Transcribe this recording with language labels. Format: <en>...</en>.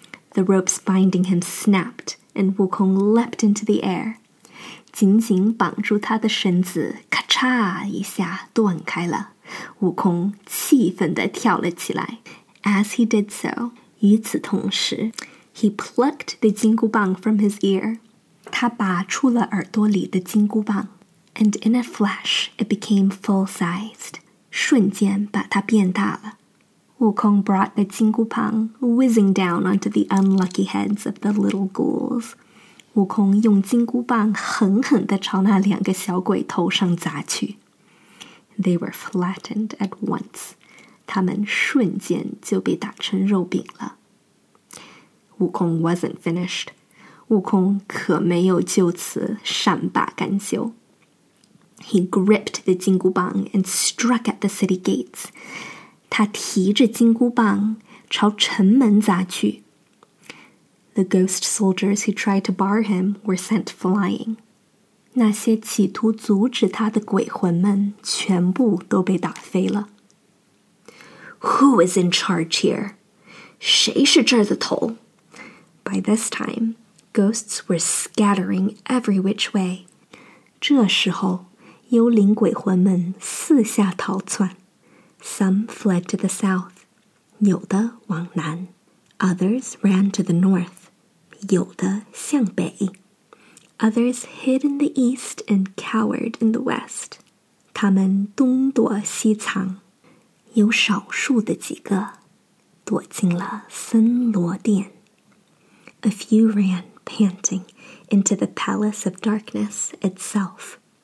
<en>The ropes binding him snapped, and Wukong leapt into the air.</en> <zh>紧紧绑住他的绳子，咔嚓一下断开了。</zh> <en>Wukong</en> <zh>气愤地跳了起来。</zh> <en>As he did so,</en> <zh>与此同时</zh> <en>he plucked the 金箍棒 from his ear.</en> <zh>他拔出了耳朵里的金箍棒。</zh> <en>And in a flash, it became full-sized.</en> <zh>瞬间把它变大了。</zh> <en>悟空 brought the 金箍棒 whizzing down onto the unlucky heads of the little ghouls.</en> <zh>悟空用金箍棒狠狠地朝那两个小鬼头上砸去。</zh> <en>They were flattened at once.</en> <zh>他们瞬间就被打成肉饼了。</zh> <en>悟空 wasn't finished.</en> <zh>悟空可没有就此善罢甘休。</zh> <en>He gripped the 金箍棒 and struck at the city gates.</en> <zh>他提着金箍棒朝城门砸去。</zh> <en>The ghost soldiers who tried to bar him were sent flying.</en> <zh>那些企图阻止他的鬼魂们全部都被打飞了。</zh> <en>Who is in charge here?</en> <zh>谁是这儿的头?</zh> <en>By this time, ghosts were scattering every which way.</en> <zh>这时候，幽灵鬼魂们四下逃窜。</zh> <en>Some fled to the south,</en> <zh>有的往南。</zh> <en>Others ran to the north,</en> <zh>有的向北。</zh> <en>Others hid in the east and cowered in the west,</en> <zh>他们东躲西藏。有少数的几个躲进了森罗殿。</zh> <en>A few ran, panting, into the palace of darkness itself.</en>